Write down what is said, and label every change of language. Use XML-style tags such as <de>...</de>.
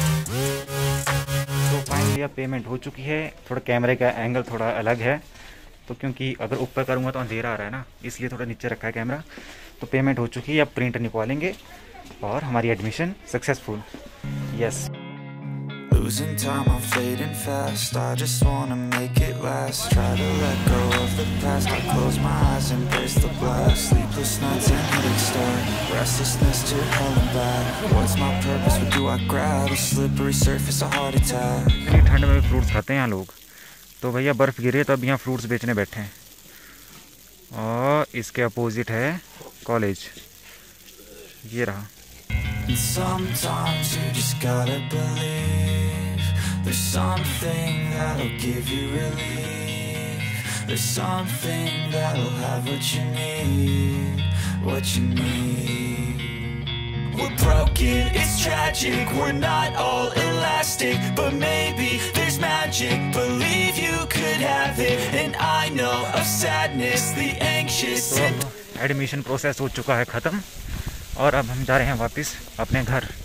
<hi>तो फाइनली अब पेमेंट हो चुकी है। थोड़ा कैमरे का एंगल थोड़ा अलग है, तो क्योंकि अगर ऊपर करूंगा तो अंधेरा आ रहा है ना, इसलिए थोड़ा नीचे रखा है कैमरा। तो पेमेंट हो चुकी है, अब प्रिंट निकालेंगे और हमारी admission successful.</hi> <en>Yes. Losing time, I'm fading fast. I just wanna make it last. Try to let go of the past. I close my eyes, embrace the blast. Sleepless nights and headaches start. Restlessness to hell and back. What's my purpose? What do I grab? A slippery surface, a heart attack.</en> <hi>इतनी ठंड में fruits खाते हैं यहाँ लोग। तो भैया बर्फ गिर रही है, तो अब यहाँ फ्रूट्स बेचने बैठे हैं। और इसके अपोजिट है कॉलेज, ये रहा।</hi> <en>Sometimes you just gotta believe there's something that'll give you relief. There's something that'll have what you need. What you need. We're broken, it's tragic. We're not all elastic, but maybe there's magic. Believe you could have it. And I know of sadness, the anxious.</en> <hi>Admission process ho chuka hai khatam. और अब हम जा रहे हैं वापस अपने घर।</hi>